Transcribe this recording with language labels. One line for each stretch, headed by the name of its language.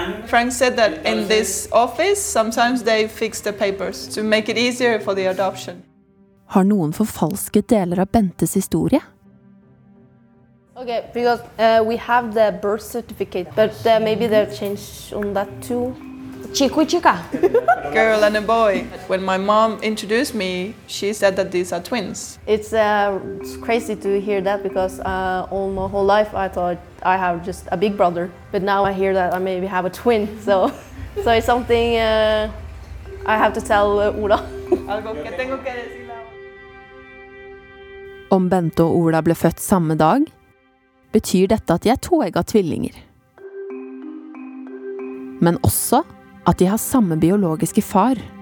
English: Frank said that in this office sometimes they fix the papers to make it easier for the adoption.
Norwegian: Har noen forfalsket deler av Bentes historie?
English: Okay, because we have the birth certificate, but maybe they'll change on that too.
Spanish: Chico y chica.
English: Girl and a boy. When my mom introduced me, she said that these are twins. It's crazy to hear that because all my whole life I thought I have just a big brother. But now I hear that I maybe have a twin. So it's something I have to tell Ola.
Spanish: Algo que tengo que decirle.
Norwegian: Om Bente og Ola ble født samme dag, betyr dette at de to egga tvillinger. Men også at de har samme biologiske far.